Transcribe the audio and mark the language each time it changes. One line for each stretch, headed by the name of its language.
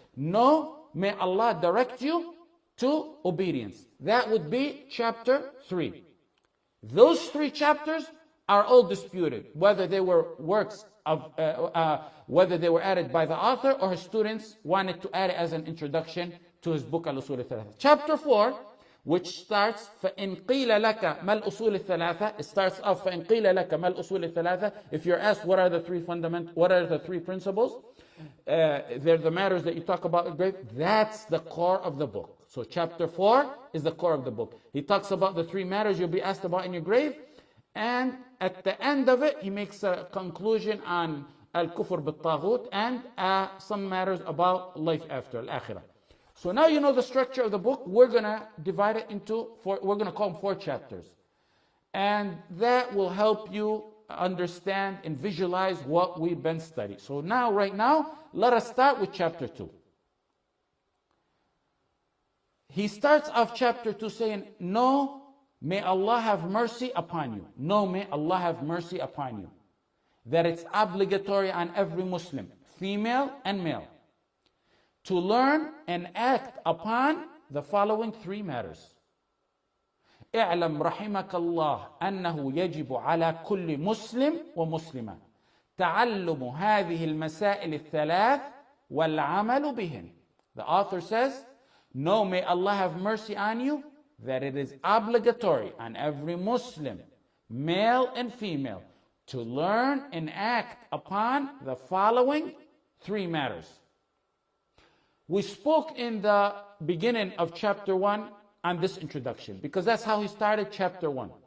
English: No, may Allah direct you to obedience. That would be chapter three. Those three chapters are all disputed, whether they were works of whether they were added by the author or his students wanted to add it as an introduction to his book Al-Usul al-Thalatha. Chapter 4, which starts
Arabic: فَإِنْ قِيلَ لَكَ مَا الْأُصُولِ الثَّلَاثَ.
English: It starts off
Arabic: فَإِنْ قِيلَ لَكَ مَا الْأُصُولِ الثَّلَاثَ.
English: If you're asked what are the three fundamental, what are the three principles, they're the matters that you talk about in grave. That's the core of the book. So chapter 4 is the core of the book. He talks about the three matters you'll be asked about in your grave. And at the end of it, he makes a conclusion on al-kufr bil-taghut and some matters about life after, al-akhirah. So now you know the structure of the book. We're going to divide it into four, we're going to call them four chapters. And that will help you understand and visualize what we've been studying. So now, right now, let us start with chapter two. He starts off chapter two saying, no, may Allah have mercy upon you. No, may Allah have mercy upon you. That it's obligatory on every Muslim, female and male, to learn and act upon the following three matters.
Arabic: اعلم رحمك الله أنه يجب على كل مسلم ومسلمة تعلم هذه المسائل الثلاث والعمل بهن.
English: The author says, know, may Allah have mercy on you, that it is obligatory on every Muslim, male and female, to learn and act upon the following three matters. We spoke in the beginning of chapter one on this introduction, because that's how he started chapter one.